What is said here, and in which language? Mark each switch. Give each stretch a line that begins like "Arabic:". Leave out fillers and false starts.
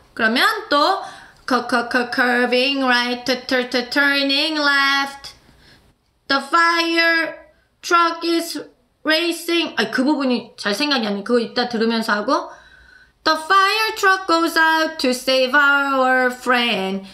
Korean: 그러면 또
English: curving right, turning left. The fire truck is racing.
Korean: 아, 그 부분이 잘 생각이 안 나. 그거 이따 들으면서 하고.
English: The fire truck goes out to save our friend.